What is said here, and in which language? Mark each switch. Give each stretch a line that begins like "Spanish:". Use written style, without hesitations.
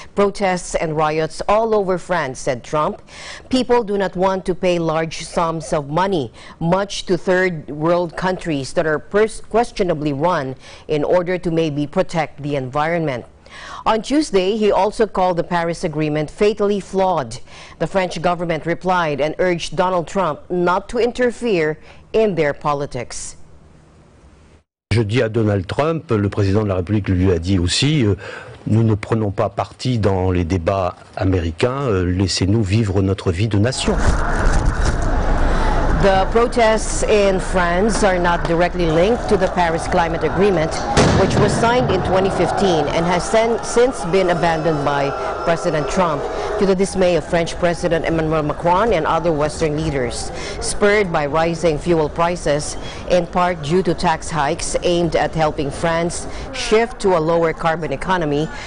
English: Protests and riots all over France, said Trump. People do not want to pay large sums of money, much to third world countries that are questionably run in order to maybe protect the environment. On Tuesday, he also called the Paris Agreement fatally flawed. The French government replied and urged Donald Trump not to interfere in their politics.
French: Je dis à Donald Trump, le président de la République lui a dit aussi, nous ne prenons pas parti dans les débats américains, laissez-nous vivre notre vie de nation.
English: The protests in France are not directly linked to the Paris Climate Agreement, which was signed in 2015 and has since been abandoned by President Trump, to the dismay of French President Emmanuel Macron and other Western leaders, spurred by rising fuel prices, in part due to tax hikes aimed at helping France shift to a lower carbon economy.